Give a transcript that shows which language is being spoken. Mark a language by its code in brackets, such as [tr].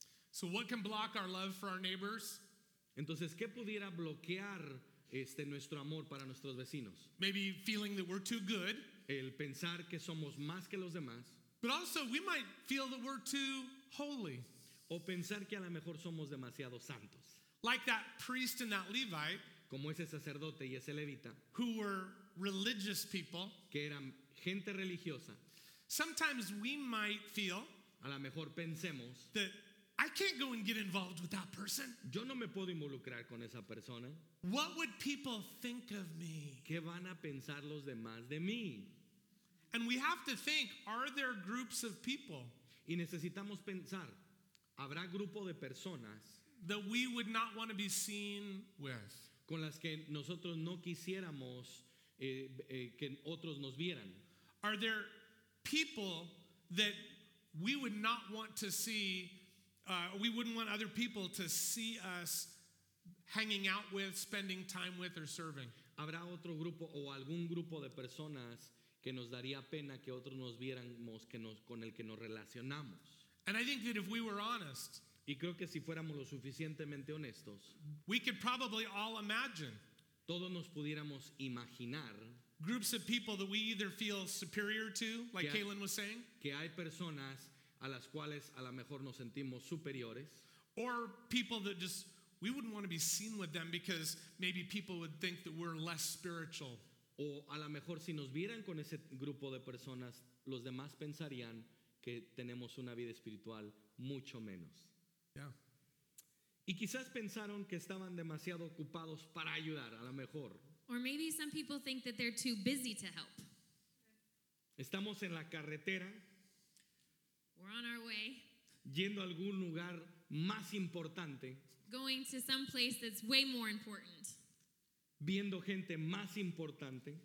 [en] So what can block our love for our neighbors? [es] Entonces, ¿qué pudiera bloquear nuestro amor para nuestros vecinos? [en] Maybe feeling that we're too good. [es] El pensar que somos más que los demás. [en] But also we might feel that we're too holy. [es] O pensar que a lo mejor somos demasiado santos. [en] Like that priest and that Levite. [es] Como ese sacerdote y ese levita. [en] Who were religious people. [es] Que eran gente religiosa. [en] Sometimes we might feel. [es] A lo mejor pensemos. [en] That I can't go and get involved with that person. [es] Yo no me puedo involucrar con esa persona. [en] What would people think of me? [es] ¿Qué van a pensar los demás de mí? [en] And we have to think, are there groups of people? [es] Y necesitamos pensar, ¿habrá grupo de personas [en] that we would not want to be seen with? [es] Con las que nosotros no quisiéramos que otros nos vieran. [en] Are there people that we would not want to see, we wouldn't want other people to see us hanging out with, spending time with, or serving? [es] ¿Habrá otro grupo o algún grupo de personas que nos daría pena que otros nos viéramos que nos, con el que nos relacionamos? [en] And I think that if we were honest, [es] y creo que si fuéramos lo suficientemente honestos, [en] we could probably all imagine, [es] todos nos pudiéramos imaginar, [en] groups of people that we either feel superior to, like Kaylin was saying, [es] que hay personas a las cuales a lo mejor nos sentimos superiores, [en] or people that just, we wouldn't want to be seen with them because maybe people would think that we're less spiritual. [es] O a lo mejor si nos vieran con ese grupo de personas, los demás pensarían que tenemos una vida espiritual mucho menos. [en] Yeah. [es] Y quizás pensaron que estaban demasiado ocupados para ayudar, a lo mejor. [en] Or maybe some people think that they're too busy to help. [es] Estamos en la carretera. [en] We're on our way. [es] Yendo a algún lugar más importante. [en] Going to some place that's way more important. [es] Viendo gente más importante.